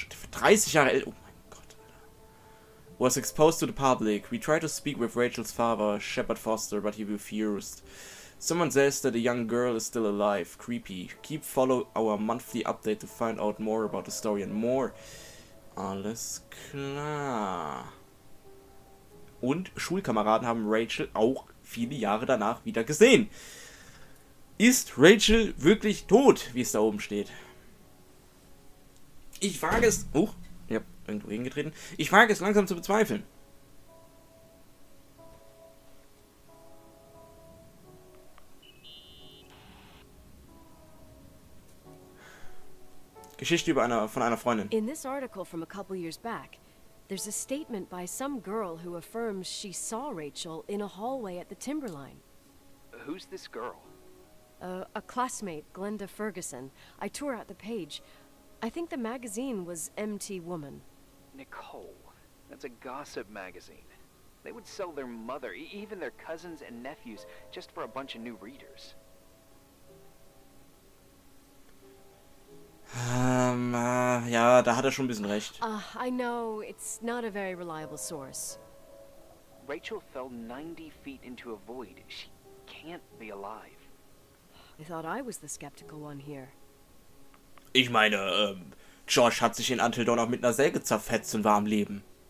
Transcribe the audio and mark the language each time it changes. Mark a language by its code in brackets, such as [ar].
[de] 30 Jahre alt. Oh mein Gott. [en] Was exposed to the public. We tried to speak with Rachel's father, Shepard Foster, but he refused. Someone says that a young girl is still alive. Creepy. Keep follow our monthly update to find out more about the story and more. [de] Alles klar. Und Schulkameraden haben Rachel auch viele Jahre danach wieder gesehen. Ist Rachel wirklich tot, wie es da oben steht? Ich wage es. Huch, ich hab irgendwo hingetreten. Ich wage es langsam zu bezweifeln. Geschichte über eine, von einer Freundin. [en] In this article from a couple years back, there's a statement by some girl who affirms she saw Rachel in a hallway at the Timberline. Who's this girl? A classmate, Glenda Ferguson. I tore out the page. I think the magazine was MT Woman. Nicole, that's a gossip magazine. They would sell their mother, even their cousins and nephews, just for a bunch of new readers. [de] Ja, da hat er schon ein bisschen recht. [en] I know, it's not a very reliable source. Rachel fell 90 feet into a void. She can't be alive. I thought I was the skeptical one here. [de] Ich meine, George hat sich in Until Dawn auch mit einer Säge zerfetzt und war am Leben.